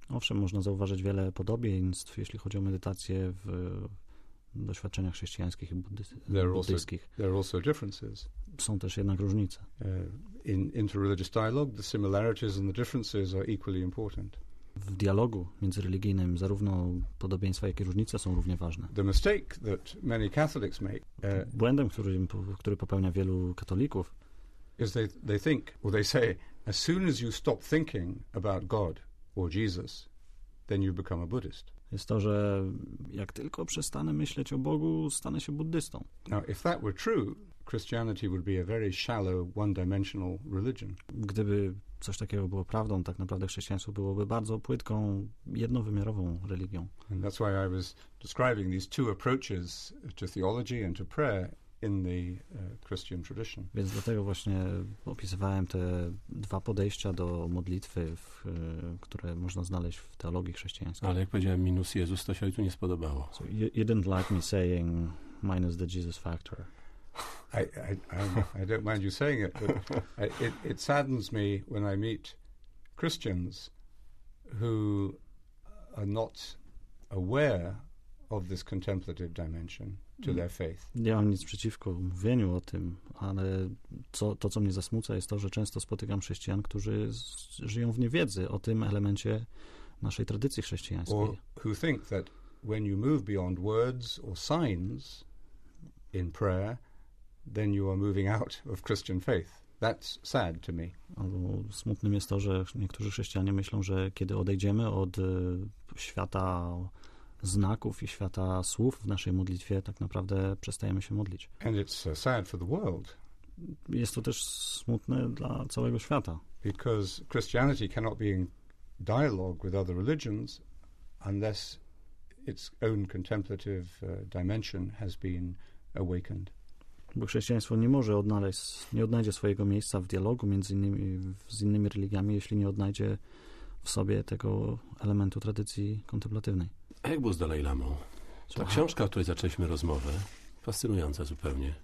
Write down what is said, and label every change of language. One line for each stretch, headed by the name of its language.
Polish: Owszem, można zauważyć wiele podobieństw, jeśli chodzi o medytację w doświadczeniach chrześcijańskich i buddyjskich.
English: There are also differences.
Polish: Są też jednak różnice.
English: In interreligious dialogue, the similarities and the differences are equally important.
Polish: W dialogu międzyreligijnym zarówno podobieństwa, jak i różnice są równie ważne.
English: The mistake that many Catholics make,
Polish: błędem, który popełnia wielu katolików,
English: is they think, or they say, as soon as you stop thinking about God or Jesus, then you become a Buddhist.
Polish: Jest to, że jak tylko przestanę myśleć o Bogu, stanę się buddystą.
English: Now, if that were true, Christianity would be a very shallow, one-dimensional religion.
Polish: Gdyby coś takiego było prawdą, tak naprawdę chrześcijaństwo byłoby bardzo płytką, jednowymiarową religią.
English: And that's why I was describing these two approaches to theology and to prayer in the Christian tradition.
Polish: Więc dlatego właśnie opisywałem te dwa podejścia do modlitwy, które można znaleźć w teologii chrześcijańskiej. Ale jak powiedziałem minus Jezus, to się tu nie spodobało.
English: So you didn't like me saying minus the Jesus factor. I don't mind you saying it, but it saddens me when I meet Christians who are not aware of this contemplative dimension to their faith.
Polish: Nie mam nic przeciwko mówieniu o tym, ale co mnie zasmuca, jest to, że często spotykam chrześcijan, którzy żyją w niewiedzy o tym elemencie naszej tradycji chrześcijańskiej.
English: Or who think that when you move beyond words or signs in prayer, then you are moving out of Christian faith. That's sad to me.
Polish: Smutnym jest to, że niektórzy chrześcijanie myślą, że kiedy odejdziemy od świata znaków i świata słów w naszej modlitwie, tak naprawdę przestajemy się modlić.
English: And it's so sad for the world.
Polish: Jest to też smutne dla całego świata.
English: Because Christianity cannot be in dialogue with other religions unless its own contemplative dimension has been awakened.
Polish: Bo chrześcijaństwo nie może odnaleźć, nie odnajdzie swojego miejsca w dialogu między innymi z innymi religiami, jeśli nie odnajdzie w sobie tego elementu tradycji kontemplatywnej. A jak było z Dalai Lamą? Ta książka, o której zaczęliśmy rozmowę, fascynująca zupełnie.